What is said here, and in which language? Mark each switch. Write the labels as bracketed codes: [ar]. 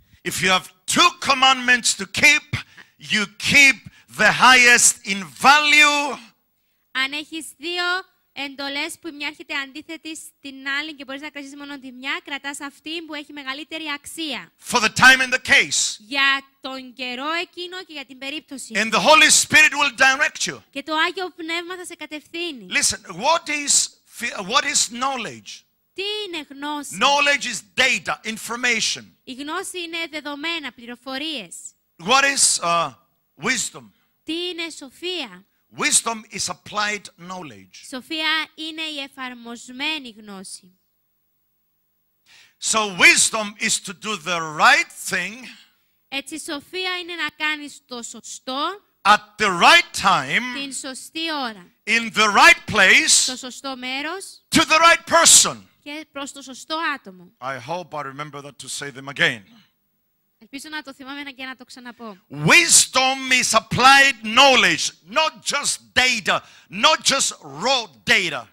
[en] If you have two commandments to keep, you keep the highest in value. [el] Αν έχεις δύο εντολές που μια έρχεται αντίθετη στην άλλη και μπορείς να κρατήσεις μόνο τη μια, κρατάς αυτή που έχει μεγαλύτερη αξία. [en] For the time and the case. [el] Για τον καιρό εκείνο και για την περίπτωση. [en] And the Holy Spirit will direct you. [el] Και το Άγιο Πνεύμα θα σε κατευθύνει. [en] Listen, what is knowledge? [el] Τι είναι γνώση? [en] Knowledge is data, information. [el] Η γνώση είναι δεδομένα, πληροφορίες. [en] What is wisdom? [el] Τι είναι σοφία? [en] Wisdom is applied knowledge. [el] Σοφία είναι η εφαρμοσμένη γνώση. [en] So wisdom is to do the right thing. [el] Έτσι, σοφία είναι να κάνεις το σωστό. [en] at the right time, [el] την σωστή ώρα, [en] in the right place, [el] στο σωστό μέρος, [en] to the right person. [el] Και προς το σωστό άτομο. [en] I hope I remember that to say them again. [el] Ελπίζω να το θυμάμαι και να το ξαναπώ. [en] Wisdom is applied knowledge, not just data, not just raw data.